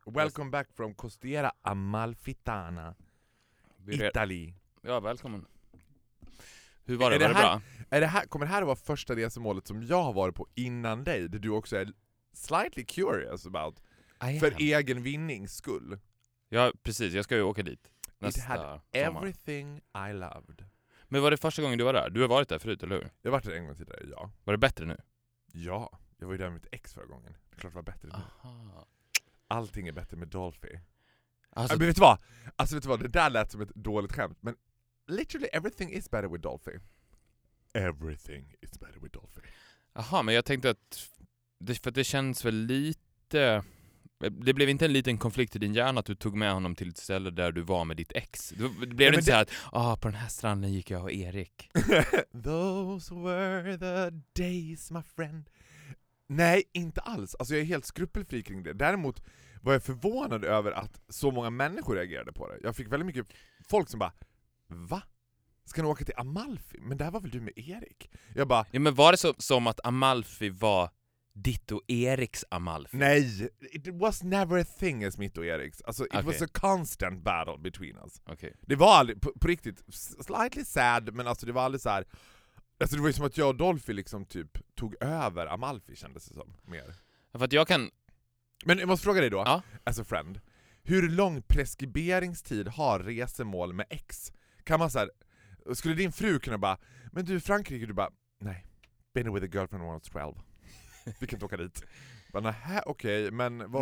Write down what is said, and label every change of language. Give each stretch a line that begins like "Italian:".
English: Welcome back from Costiera Amalfitana, Italy.
Swedish: Ja, välkommen. Hur var det? Är det, var här, det bra? Är det här, kommer det här att vara första resemålet som jag har varit på innan dig, där du också är slightly curious about, för egen vinnings skull? Ja, precis. Jag ska ju åka dit nästa
English: It had everything
Swedish: sommar.
English: I loved.
Swedish: Men var det första gången du var där? Du har varit där förut, eller hur? Jag har varit där en gång tidigare, ja. Var det bättre nu? Ja, jag var ju där med mitt ex förra gången. Det klart var bättre nu. Aha. Allting är bättre med Dolphy. Alltså, men vet du vad? Alltså, vet du vad? Det där lät som ett dåligt skämt, men literally everything is better with Dolphy.
English: Everything is better with Dolphy.
Swedish: Aha, men jag tänkte att det, för att det känns väl lite... Det blev inte en liten konflikt i din hjärna att du tog med honom till ett ställe där du var med ditt ex? Det blev inte så här att på den här stranden gick jag och Erik.
English: Those were the days, my friend.
Swedish: Nej, inte alls. Alltså, jag är helt skrupelfri kring det. Däremot var jag förvånad över att så många människor reagerade på det. Jag fick väldigt mycket folk som bara, va? Ska ni åka till Amalfi? Men där var väl du med Erik? Jag bara, ja, men var det så, som att Amalfi var ditt och Eriks Amalfi?
English: Nej, it was never a thing as mitt och Eriks. Alltså, it was a constant battle between us. Okay.
Swedish: Det var aldrig, på riktigt, slightly sad, men alltså det var aldrig så här... Alltså, det var ju som att jag och Dolphy liksom typ tog över Amalfi, kändes det som, mer. För att jag kan... Men jag måste fråga dig då, as a friend. Hur lång preskriberingstid har resemål med ex? Kan man så här... Skulle din fru kunna bara, men du, Frankrike, du bara, nej, been with a girlfriend when I was 12. Vi kan inte åka dit. Okej, men vad...